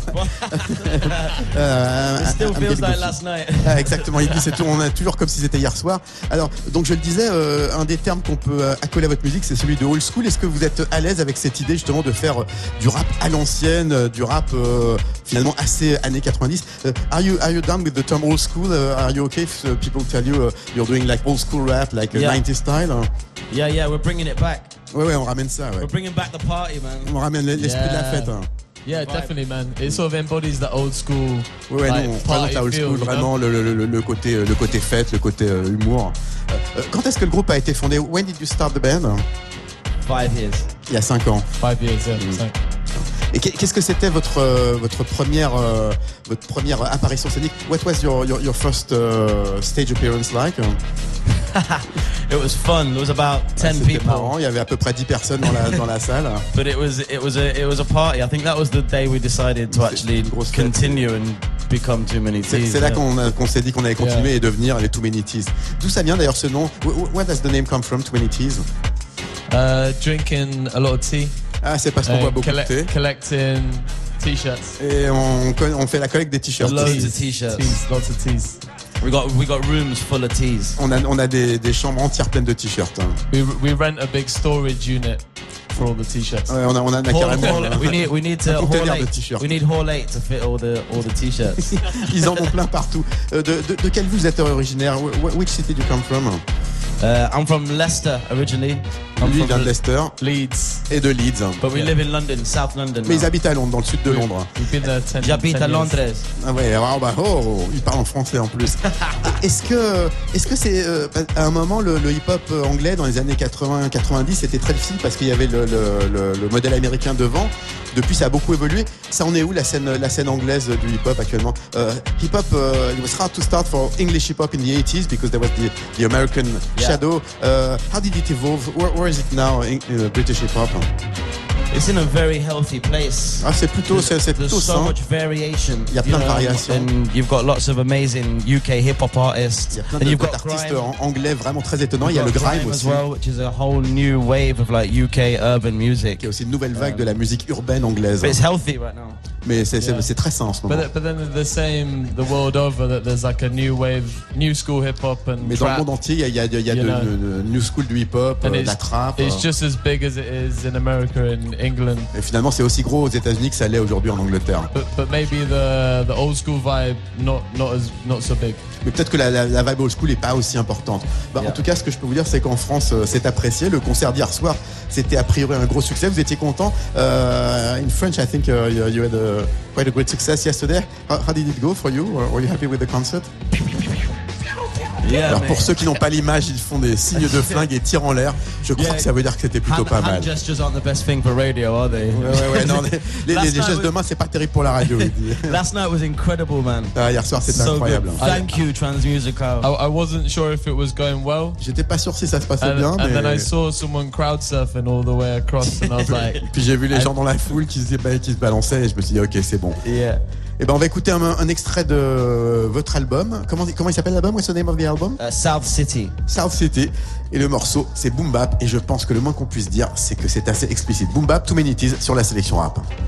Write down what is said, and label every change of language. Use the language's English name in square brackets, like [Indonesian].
[English] It still feels like last night. [French] Exactement, il dit c'est tout, on a toujours comme si c'était hier soir. Alors, donc je le disais, un des termes qu'on peut accoler à votre musique, c'est celui de old school. Est-ce que vous êtes à l'aise avec cette idée justement de faire du rap à l'ancienne, du rap finalement assez années 90? [English] Are you down with the term old school? Are you okay if people tell you you're doing like old school rap, like a 90s style? Yeah, yeah, we're bringing it back. [French] Ouais, ouais, on ramène ça, ouais. [English] We're bringing back the party, man. [French] On ramène l'esprit de la fête, hein. [English] Yeah, definitely, man. It sort of embodies the old school. [French] Ouais, ouais, [English] like, [French] non, on parle de la old school, [English] feel, [French] vraiment, [English] you know? [French] le côté fête, le côté humour. Quand est-ce que le groupe a été fondé? [English] When did you start the band? 5 years. [French] Il y a 5 ans. [English] 5 years, yeah. Mm. [French] Et qu'est-ce que c'était votre première apparition scénique? [English] What was your first stage appearance like? It was fun. There was about 10 people. [French] C'était marrant. Il y avait à peu près 10 personnes dans la salle. [English] But it was a party. I think that was the day we decided to actually continue and become Too Many Teas. [French] C'est là qu'on s'est dit qu'on allait continuer et devenir les Too Many Teas. D'où ça vient d'ailleurs ce nom? [English] Where does the name come from, Too Many Teas? Drinking a lot of tea. [French] Ah, c'est parce qu'on boit beaucoup de thé. [English] Collecting t-shirts. [French] Et on fait la collecte des t-shirts. [English] Loads of t-shirts. Lots of tees. We got rooms full of tees. [French] On a des chambres entières pleines de t-shirts. Hein. [English] We rent a big storage unit for all the t-shirts. [French] Ouais, on a carrément. [English] We need to [French] un container de t-shirts. [English] We need Hall 8 to fit all the t-shirts. [French] Ils en ont plein partout. De quelle ville vous êtes originaire? [English] Which city do you come from? I'm from Leicester originally. [French] Lui vient de Leicester. [English] Leeds. [French] Et de Leeds. [English] But we live in London, South London. [French] Mais ils habitent à Londres, dans le sud de Londres. J'habite à Londres. Ah ouais, alors bah oh, il parle en français en plus. Est-ce que c'est à un moment le hip-hop anglais dans les années 80-90 c'était très difficile parce qu'il y avait le modèle américain devant. Depuis, ça a beaucoup évolué. Ça en est où la scène anglaise du hip-hop actuellement? [English] Hip-hop, it was hard to start for English hip-hop in the 80s because there was the American shadow. How did it evolve? Where is it now in British hip-hop? It's in a very healthy place. [French] Ah, c'est plutôt sain. [English] There's so much variation. [French] Il y a plein de variations. [English] And you've got lots of amazing UK hip-hop artists. [French] Il y a plein d'artistes anglais vraiment très étonnants. Il y a le grime aussi. [English] As well, which is a whole new wave of like UK urban music. [French] Il y a aussi une nouvelle vague de la musique urbaine anglaise. [English] But it's healthy right now. [French] Mais c'est très sain en ce moment. [English] But then the same the world over that there's like a new wave, new school hip hop and. [French] Mais [English] trap, [French] dans le monde entier, il y a de new school du hip hop, de la trap. [English] It's just as big as it is in America and England. [French] Et finalement, c'est aussi gros aux États-Unis que ça l'est aujourd'hui en Angleterre. [English] But maybe the old school vibe not so big. [French] Mais peut-être que la vibe old school n'est pas aussi importante. En tout cas, ce que je peux vous dire, c'est qu'en France, c'est apprécié. Le concert d'hier soir, c'était a priori un gros succès. Vous étiez content. [English] In French, I think you had quite a great success yesterday. How did it go for you? Were you happy with the concert? Yeah, [French] pour ceux qui n'ont pas l'image, ils font des signes de flingue et tirent en l'air. Je crois que ça veut dire que c'était plutôt pas mal. [English] Hand gestures aren't the best thing for radio, are they? [French] Les gestes de main, c'est pas terrible pour la radio. [English] Last night was incredible, man. [French] Hier soir, c'était [English] so [French] incroyable. [English] Good. Thank you, Transmusical. I wasn't sure if it was going well. [French] J'étais pas sûr si ça se passait bien. [English] And then I saw someone crowd surfing all the way across, and I was like. [French] Puis j'ai vu les gens dans la foule qui se balançaient, et je me suis dit, ok, c'est bon. [English] Yeah. [French] Eh ben on va écouter un extrait de votre album. Comment il s'appelle l'album? [English] What's the name of the album? South City. [French] South City. Et le morceau, c'est Boom Bap. Et je pense que le moins qu'on puisse dire, c'est que c'est assez explicite. Boom Bap, Too Many Tees sur la sélection rap.